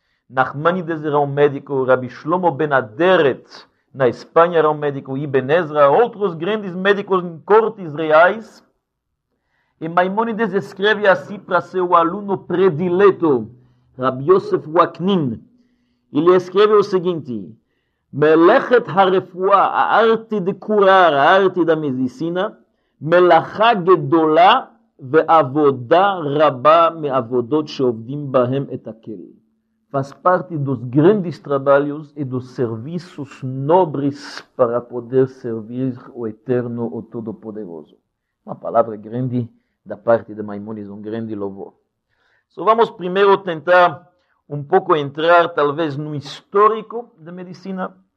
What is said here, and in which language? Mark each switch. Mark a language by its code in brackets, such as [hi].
[pt] Nachmanides era um médico, Rabbi Shlomo Ben Aderet, na Espanha, era um médico, Ibn Ezra, outros grandes médicos em cortes reais. E Maimônides escreve assim para seu aluno predileto, Rabbi Yosef Waknin. Ele escreve o seguinte: Melechet HaRefuah, a arte de curar, a arte da medicina, [he] מלאכה גדולה ועבודה רבה מעבודות שעובדים בהם את הכל. [pt] Faz parte dos grandes trabalhos e dos serviços nobres para poder servir o Eterno, o Todo-Poderoso. Uma palavra grande da parte de Maimônides, grande louvor. Só vamos primeiro tentar pouco entrar, talvez, no histórico da medicina.